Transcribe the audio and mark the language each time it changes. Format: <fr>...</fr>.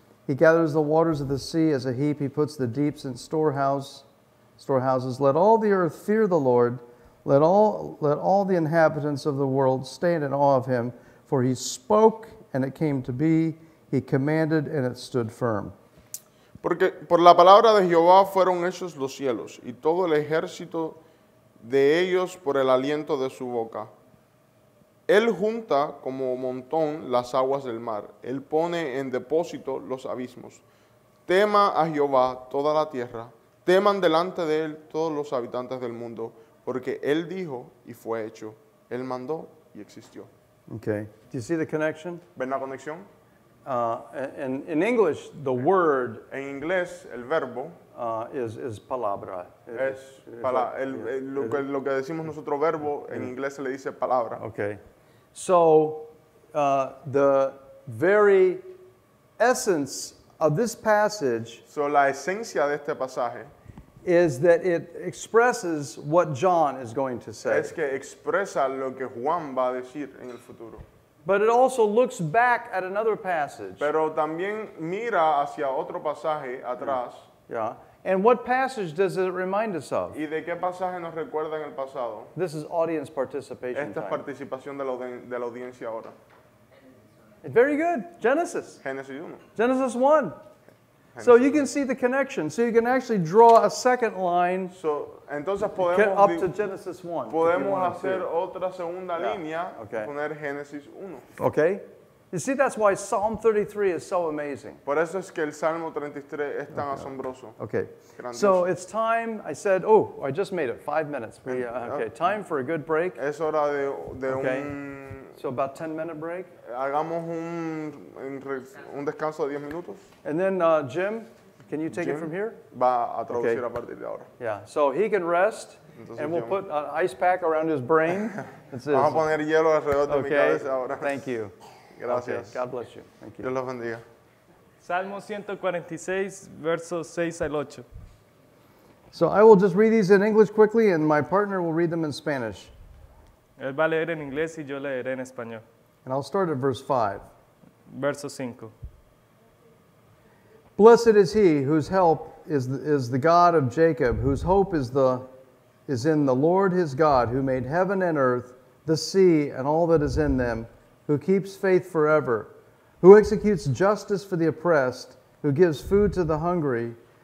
<en>He gathers the waters of the sea as a heap. He puts the deeps in storehouses. Let all the earth fear the Lord. Let all the inhabitants of the world stand in awe of him. For he spoke, and it came to be. He commanded, and it stood firm.</en> <es>Porque por la palabra de Jehová fueron hechos los cielos, y todo el ejército de ellos por el aliento de su boca. Él junta como montón las aguas del mar. Él pone en depósito los abismos. Tema a Jehová toda la tierra. Teman delante de él todos los habitantes del mundo, porque él dijo y fue hecho. Él mandó y existió.</es> <en>Okay. Do you see the connection?</en> <es>¿Ven la conexión?</es> <en>In English, the word</en> <es>en inglés, el verbo,</es> <en>is palabra.</en> <es>Es palabra. Lo que decimos nosotros verbo, en inglés se le dice palabra.</es> <en>Okay. So, the very essence of this passage</en> <es>la esencia de este pasaje</es> <en>is that it expresses what John is going to say.</en> <es>Es que expresa lo que Juan va a decir en el futuro.</es> <en>But it also looks back at another passage.</en> <es>Pero también mira hacia otro pasaje atrás.</es> <en>Yeah. And what passage does it remind us of?</en> <es>¿Y de qué pasaje nos recuerda en el pasado?</es> <en>This is audience participation.</en> <es>Esta es participación de la audiencia ahora.</es> <en>Very good. Genesis.</en> <es>Génesis 1.</es> <en>Genesis 1. So you can see the connection. So you can actually draw a second line up to Genesis 1.</en> <es>Podemos hacer otra segunda línea y poner Génesis 1.</es> <en>Okay. You see, that's why Psalm 33 is so amazing.</en> <es>Por eso es que el Salmo 33 es tan asombroso.</es> <en>Okay. So it's time. I said, oh, I just made it. 5 minutes. Okay. Time for a good break.</en> <es>Es hora de okay. un.</es> <en>So about 10-minute break.</en> <es>Hagamos un descanso de 10 minutos.</es> <en>And then Jim, can you take Jim it from here?</en> <es>Va a traducir okay. a partir de ahora.</es> <en>Yeah. So he can rest.</en> <es>Entonces,</es> <en>and we'll put an ice pack around his brain.</en> <es>Vamos a poner hielo alrededor de mi cabeza ahora.</es> <en>Thank you.</en> <es>Gracias.</es> <en>Okay. God bless you. Thank you.</en> <es>Dios los bendiga. Salmo 146, versos 6 al 8.</es> <en>So I will just read these in English quickly, and my partner will read them in Spanish.</en> <es>Él va a leer en inglés y yo leeré en español.</es> <en>And I'll start at verse 5.</en> <es>Verso 5.</es> <en>Blessed is he whose help is the God of Jacob, whose hope is in the Lord his God, who made heaven and earth, the sea, and all that is in them, who keeps faith forever, who executes justice for the oppressed, who gives food to the hungry.</en>